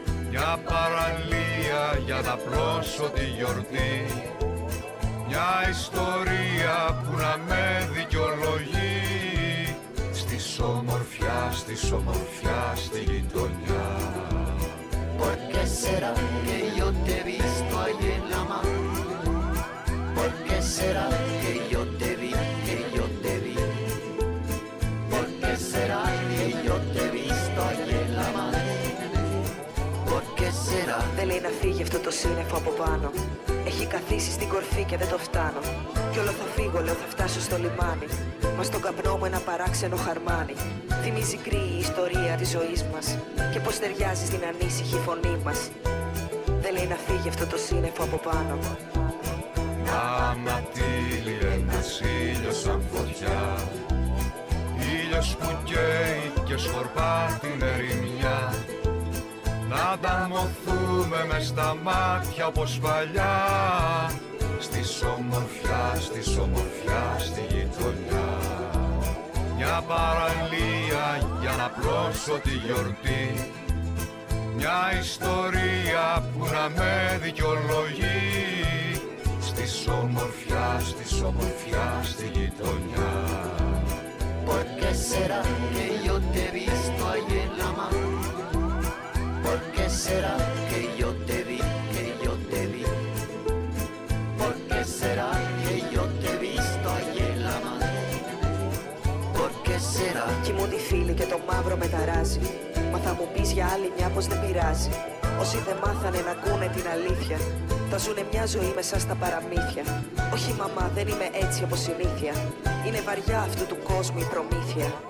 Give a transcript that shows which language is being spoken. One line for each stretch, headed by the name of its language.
Greek: Μια παραλία για να πλώσω τη γιορτή, μια ιστορία που να με δικαιολογεί. Στη ομορφιά, στη ομορφιά, στη γειτονιά.
Spanish: Porque será que yo te he visto ahí en la mar? Porque será que yo te vi, que yo te vi? Porque será que yo te he visto ahí en la mar? Porque será.
Greek: Δεν λέει να φύγει αυτό το σύννεφο από πάνω. Έχει καθίσει στην κορφή και δεν το φτάνω. Κι όλο θα φύγω, λέω, θα φτάσω στο λιμάνι. Μα στον καπνό μου ένα παράξενο χαρμάνι. Θυμίζει κρύη η ιστορία της ζωής μας και πως ταιριάζει στην ανήσυχη φωνή μας. Δεν λέει να φύγει αυτό το σύννεφο από πάνω. Να ματήλει ένας ήλιος σαν φωτιά, ήλιος που καίει και σκορπά την ερημιά. Να ανταμωθούμε μες στα μάτια όπως παλιά, στη ομορφιά, στη ομορφιά, στη γειτονιά. Μια παραλία για να πλώσω τη γιορτή, μια ιστορία που να με δικαιολογεί. Στη ομορφιά, στη ομορφιά, στη γειτονιά.
Spanish: Porque será que yo te he visto ahí en la mar? Porque será que yo te vi? Será que yo te he visto ahí en la mar? Porque será.
Greek: Κοιμούν οι φίλοι και το μαύρο με ταράζει. Μα θα μου πεις για άλλη μια πως δεν πειράζει. Όσοι δεν μάθανε να ακούνε την αλήθεια, θα ζουνε μια ζωή μέσα στα παραμύθια. Όχι μαμά, δεν είμαι έτσι από συνήθεια. Είναι βαριά αυτού του κόσμου η προμήθεια.